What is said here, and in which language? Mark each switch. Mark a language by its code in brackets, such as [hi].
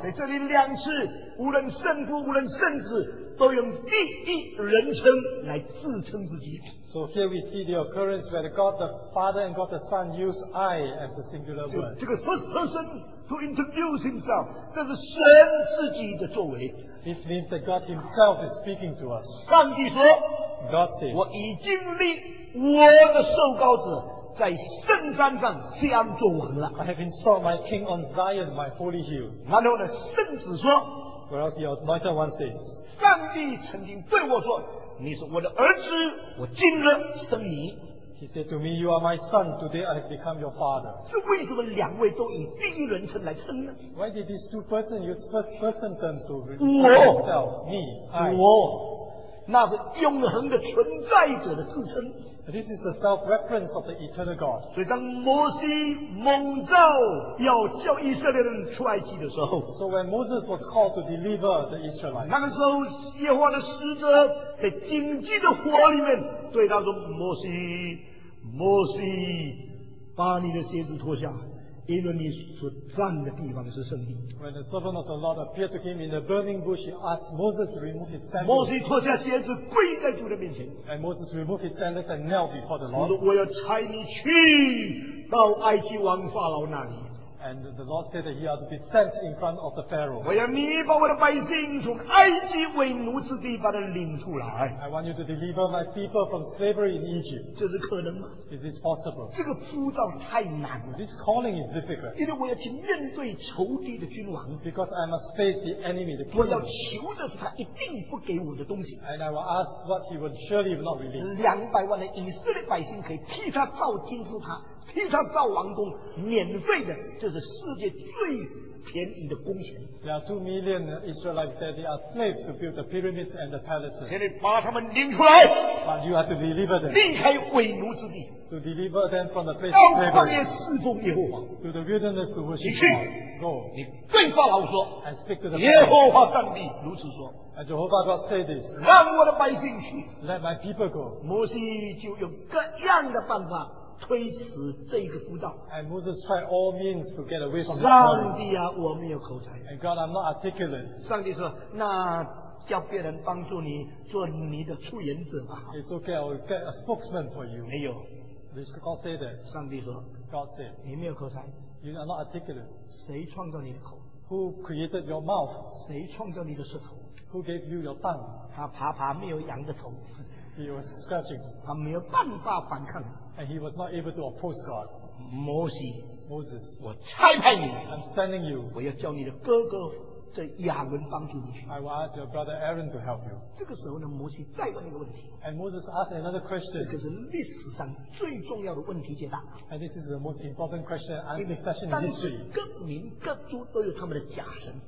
[zh] 在这里两次，无论圣父，无论圣子，都用第一人称来自称自己。 [en] So here we see the occurrence where God the Father and God the Son use I as a singular word. [zh] 这个 [en] first person to introduce himself， [zh] 这是神自己的作为。 [en] This means that God Himself is speaking to us. [zh] 上帝说 [en] God said, [zh] 我已经立我的受膏者在圣山上西安作王了。 [en] I have installed my king on Zion, my holy hill. [zh] 然后呢，圣子说 [en] Whereas the Almighty One says, [zh] 上帝曾经对我说，你是我的儿子，我今日生你。 [en] He said to me, "You are my son. Today, I have become your father." [zh] 这为什么两位都以第一人称来称呢 [en] ？Why did these two persons use first person terms to refer to himself? Me, I. [zh] 我，那是永恒的存在者的自称。 [en] This is the self-reference of the eternal God. [zh] 所以当摩西蒙召要叫以色列人出埃及的时候 [en] ，So when Moses was called to deliver the Israelites, [zh] 那个时候耶和华的使者在荆棘的火里面对他说：“摩西，摩西，把你的鞋子脱下。” 因为你所站的地方是圣地。 [en] When the servant of the Lord appeared to him in the burning bush, he asked Moses to remove his sandals. [zh] 摩西脱下鞋子跪在主的面前。 [en] And Moses removed his sandals and knelt before the Lord. [zh] 我要差你去到埃及王法老那里。 [en] And the Lord said that he ought to be sent in front of the Pharaoh. [zh] 我要你把我的百姓从埃及为奴之地把他领出来。 [en] I want you to deliver my people from slavery in Egypt. [zh] 这是可能吗？ [en] Is this possible? [zh] 这个呼召太难了。 [en] This calling is difficult. [zh] 因为我要去面对仇敌的君王。 [en] Because I must face the enemy, the king. [zh] 我要求的是他一定不给我的东西。 [en] And I will ask what he will surely not release. [zh] 200万的以色列百姓可以替他造金字塔。替他造王宫，免费的，这是世界最便宜的工钱。 [en] There are 2 million Israelites that they are slaves to build the pyramids and the palaces. [zh] 请你把他们领出来。 [en] But you have to deliver them. [zh] 离开为奴之地。 [en] To deliver them from the place of slavery. [zh] 到旷野侍奉耶和华。 [en] To the wilderness to worship God. [zh] 你去。 [en] Go. [zh] 你对法老说。 [en] And speak to the [zh] Lord. 耶和华上帝如此说。 [en] And Jehovah God say this. [zh] 让我的百姓去。 [en] Let my people go. [zh] 摩西就用各样的办法。推迟这个呼召。 [en] And Moses tried all means to get away from the call. [zh] 上帝啊，我没有口才。 [en] And God, I'm not articulate. [zh] 上帝说，那叫别人帮助你做你的出言者吧。 [en] It's okay, I'll get a spokesman for you. [zh] 没有。 [en] Does God say that? [zh] 上帝说 [en] ，God said, [zh] 你没有口才。 [en] You are not articulate. [zh] 谁创造你的口 [en] ？Who created your mouth? [zh] 谁创造你的舌头 [en] ？Who gave you your tongue? [zh] 他爬爬没有羊的头。 [en] He was scratching. [zh] 他没有办法反抗。 [en] And he was not able to oppose God. [zh] 摩西 [en] Moses, [zh] 我差派你 [en] I'm sending you. [zh] 我要叫你的哥哥这亚伦帮助你去 [en] I will ask your brother Aaron to help you. [zh] 这个时候呢，摩西再问一个问题 [en] And Moses asked another question. [zh] 这个是历史上最重要的问题解答 [en] And this is the most important question and succession in history. [zh] 各民各族都有他们的假神